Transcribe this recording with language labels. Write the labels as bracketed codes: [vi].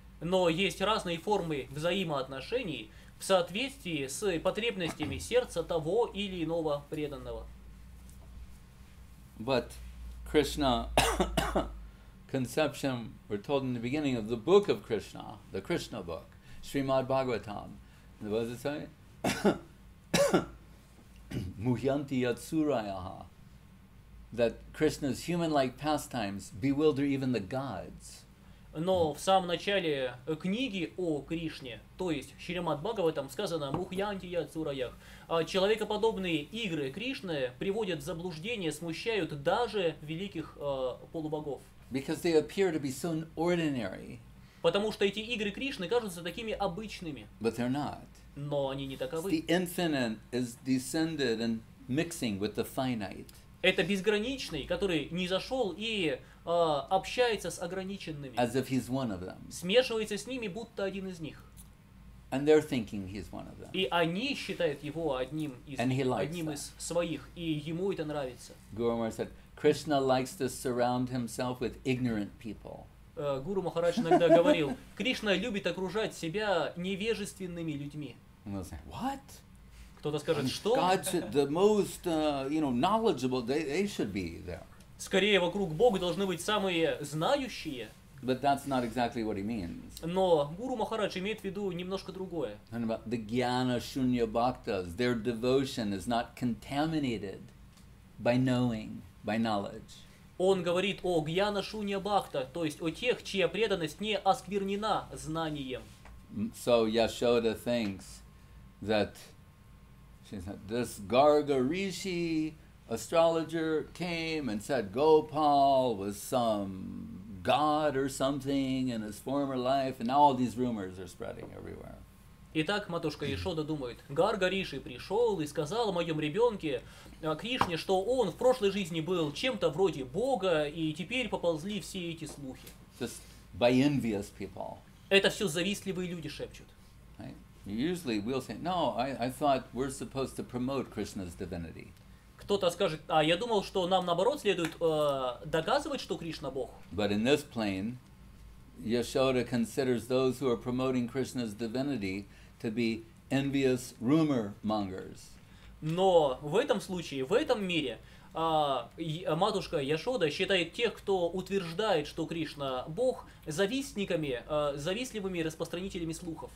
[ru] Но есть разные формы взаимоотношений в соответствии с потребностями сердца того или иного преданного. [en] But Krishna conception, we're told in the beginning of the book of Krishna, the Krishna book, Srimad Bhagavatam. What does it say? [sa] Muhyanti yatsurayaha. [en] That Krishna's human-like pastimes bewilder even the gods. [ru] Но в самом начале книги о Кришне, то есть Шримад Бхагаватам, сказано [sa] «Мухьянти Яцураях», [ru] человекоподобные игры Кришны приводят в заблуждение, смущают даже великих полубогов. [en] Because they appear to be so ordinary. [ru] Потому что эти игры Кришны кажутся такими обычными. [en] But they're not. [ru] Но они не таковы. [en] The infinite is descended and mixing with the finite. [ru] Это безграничный, который не зашел и общается с ограниченными. [en] As if he's one of them. [ru] Смешивается с ними, будто один из них. [en] And they're thinking he's one of them. [ru] И они считают его одним из, [en] And he likes [ru] одним [en] that. [ru] Из своих, и ему это нравится. [en] Guru Maharaj said, Krishna likes to surround himself with ignorant people. [ru] Гуру Махарадж иногда говорил, Кришна любит окружать себя невежественными людьми. [en] And we'll say, what? [ru] Кто-то скажет, что? [en] God should, the most, knowledgeable, they should be there. [ru] Скорее, вокруг Бога должны быть самые знающие. [en] But that's not exactly what he means. [ru] Но Гуру Махарадж имеет в виду немножко другое. [en] And about the Jnana Shunya Bhaktas, their devotion is not contaminated by knowing, by knowledge. [ru] Он говорит о Jnana Shunya Bhakta, то есть о тех, чья преданность не осквернена знанием. [en] So Yashoda thinks that this Garga Rishi astrologer came and said Gopal was some god or something in his former life, and now all these rumors are spreading everywhere. [ru] Итак, матушка Яшода думает, Гарга Риши пришел и сказал о моем ребенке Кришне, что он в прошлой жизни был чем-то вроде Бога, и теперь поползли все эти слухи. [en] Just by envious people. [ru] Это все завистливые люди шепчут. [en] Usually we'll say, no, I thought we're supposed to promote Krishna's divinity. [ru] Кто-то скажет, а я думал, что нам наоборот следует доказывать, что Кришна Бог. [en] But in this plane, Yashoda considers those who are promoting Krishna's divinity to be envious rumor mongers. [ru] Но в этом случае, в этом мире, матушка Яшода считает тех, кто утверждает, что Кришна Бог, завистниками, завистливыми распространителями слухов.